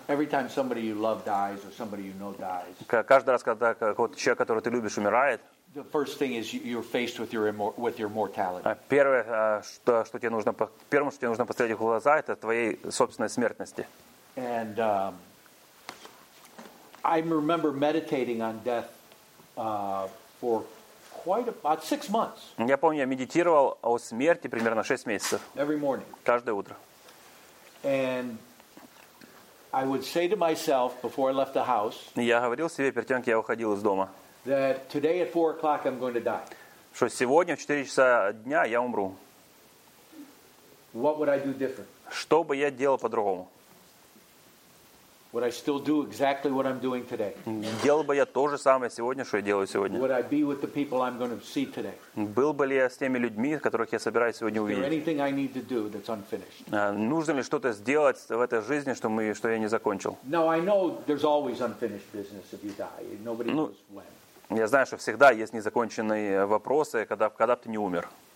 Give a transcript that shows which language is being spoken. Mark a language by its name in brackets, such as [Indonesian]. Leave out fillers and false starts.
[English] every time somebody you love dies or somebody you know dies, [Russian] каждый раз, когда какой-то человек, которого ты любишь, умирает, [English] the first thing is you're faced with your mortality. [Russian] Первое, что тебе нужно, первым, что тебе нужно посмотреть в глаза, это твоей собственной смертности. [English] And I remember meditating on death for quite about 6 months. [Russian] Я помню, я медитировал о смерти примерно 6 месяцев. [English] Every morning. [Russian] Каждое утро. [English] And I would say to myself before I left the house. [Russian] Я говорил себе перед тем, как я уходил из дома. [English] That today at 4 o'clock I'm going to die. [Russian] Что сегодня в 4 часа дня я умру. [English] What would I do different? [Russian] Что бы я делал по-другому? [English] Would I still do exactly what I'm doing today? [Russian] Делал бы я то же самое сегодня, что я делаю сегодня. [English] Would I be with the people I'm going to see today? [Russian] Был бы ли я с теми людьми, которых я собираюсь сегодня увидеть? [English] Is there anything I need to do that's unfinished? [Russian] Нужно ли что-то сделать в этой жизни, что я не закончил? [English] No, I know there's always unfinished business if you die. Nobody knows when. [Russian] Я знаю, что всегда есть незаконченные вопросы, когда бы ты не умер.